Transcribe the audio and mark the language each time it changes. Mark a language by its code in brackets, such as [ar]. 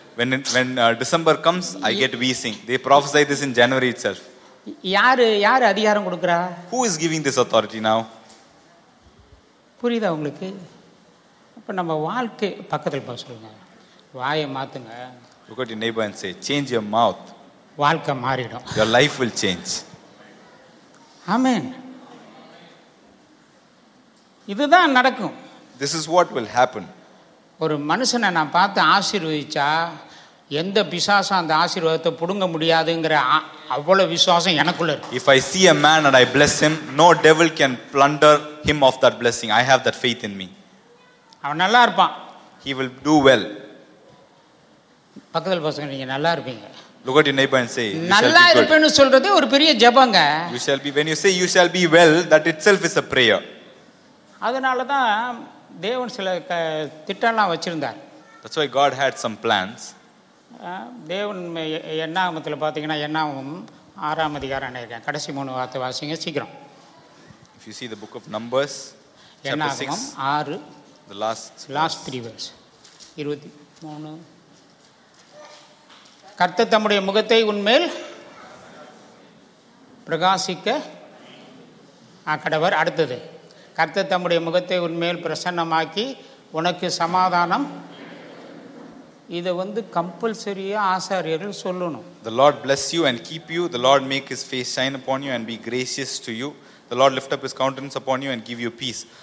[en] When December comes, I get wheezing. They prophesy this in January itself. [ta] யாரு அதிகாரம் கொடுக்கறா? [en] Who is giving this authority now? [ta] புரியுதா உங்களுக்கு? அப்ப நம்ம வாழ்க்கை பக்கத்தில் போக சொல்லுங்க, வாயை மாத்துங்க. [en] Look at your neighbor and say, change your mouth. [ta] வாழ்க்கை மாறிடும். [en] Your life will change. Amen. [ta] இதுதான் நடக்கும். [en] This is what will happen. [ta] ஒரு மனுஷனை நான் பார்த்து ஆசீர்வதிச்சா எந்த பிசாசும் அந்த ஆசீர்வாதத்தை புடுங்க முடியாதுங்கிற அவ்வளவு விசுவாசம் எனக்குள்ள இருக்கு. [en] If I see a man and I bless him, no devil can plunder him of that blessing. I have that faith in me. [ta] அவன் நல்லா இருப்பான். [en] He will do well. [ta] பக்கத்துல பசங்க, நீங்க நல்லா இருப்பீங்க. [en] Look at your neighbor and say, [ta] நல்லா இருப்பேன்னு சொல்றது ஒரு பெரிய ஜெபங்க. [en] You shall be, when you say you shall be well, that itself is a prayer. [ta] அதனால தான் தேவன் சில திட்டம்லாம் வச்சிருந்தார். [en] That's why God had some plans. [ta] தேவன் எண்ணாகமத்தில் பார்த்தீங்கன்னா எண்ணாகமம் 6 இருக்கேன், கடைசி 3 வார்த்தை வாசிங்க சீக்கிரம். [en] If you see the book of Numbers, [ta] எண்ணாகமம் 6, [en] the last 3 verse. 23. [ta] கர்த்தர் தம்முடைய முகத்தை உன்மேல் பிரகாசிக்க ஆக்கடவர். அடுத்தது, கர்த்தர் தம்முடைய முகத்தை உன்மேல் பிரசன்னமாக்கி உனக்கு சமாதானம். இதை வந்து கம்பல்சரியா ஆசாரியர்கள் சொல்லணும். [en] The Lord bless you and keep you. The Lord make his face shine upon you and be gracious to you. The Lord lift up his countenance upon you and give you peace.